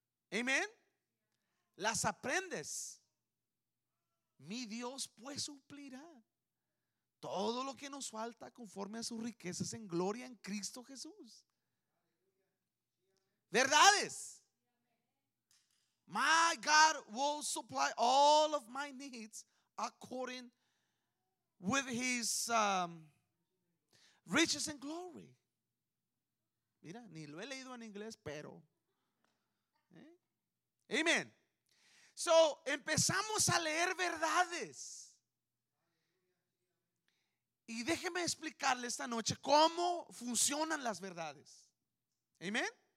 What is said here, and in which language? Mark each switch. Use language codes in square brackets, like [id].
[es] Amén. Las aprendes. Mi Dios pues suplirá todo lo que nos falta conforme a sus riquezas en gloria en Cristo Jesús. Verdades. [en] My God will supply all of my needs according with his riches and glory. [es] Mira, ni lo he leído en inglés, pero. Amen. So, empezamos a leer verdades. Y déjeme explicarle esta noche cómo funcionan las verdades. Amen.